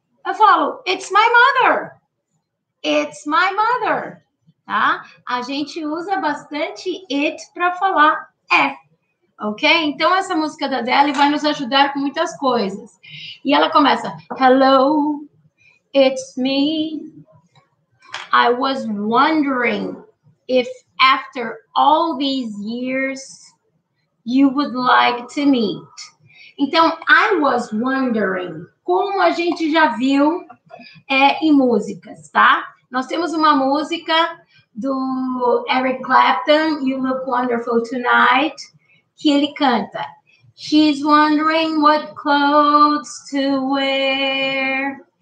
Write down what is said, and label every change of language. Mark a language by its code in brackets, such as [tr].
[pt] Eu falo, [en] it's my mother. It's my mother. Tá? [pt] A gente usa bastante it para falar é. Ok? Então, essa música da Adele vai nos ajudar com muitas coisas. E ela começa, [en] hello, it's me. I was wondering if after all these years you would like to meet. [pt] Então, [en] I was wondering, [pt] como a gente já viu em músicas, tá? Nós temos uma música do Eric Clapton, You Look Wonderful Tonight, que ele canta. [en] She's wondering what clothes to wear.